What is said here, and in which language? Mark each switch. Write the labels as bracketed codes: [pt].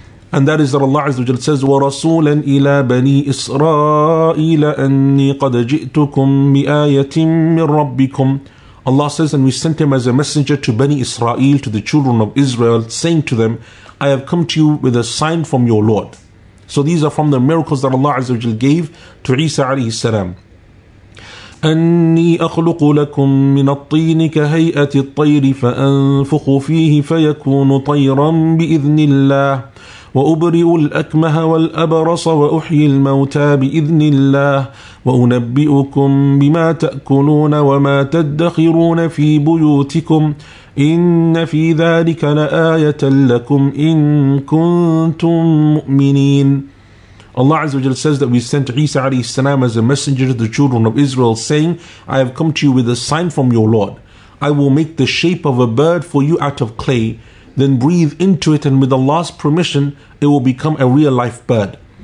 [en] And that is that Allah Azza wa Jal says, [ar] وَرَسُولًا إِلَىٰ بَنِي إِسْرَائِيلَ أَنِّي قَدْ جِئْتُكُمْ بِآيَةٍ مِّن رَبِّكُمْ. [en] Allah says, and we sent him as a messenger to Bani Israel, to the children of Israel, saying to them, I have come to you with a sign from your Lord. So these are from the miracles that Allah Azza wa Jal gave to Isa alayhi salam. [ar] أني أخلق لكم من الطين كهيئة الطير فأنفخ فيه فيكون طيرا بإذن الله وأبرئ الأكمه والأبرص وأحيي الموتى بإذن الله وأنبئكم بما تأكلون وما تدخرون في بيوتكم إن في ذلك لآية لكم إن كنتم مؤمنين. [en] Allah Azza wa Jal says that we sent Isa alayhi salam as a messenger to the children of Israel, saying, I have come to you with a sign from your Lord. I will make the shape of a bird for you out of clay, then breathe into it, and with Allah's permission, it will become a real life bird.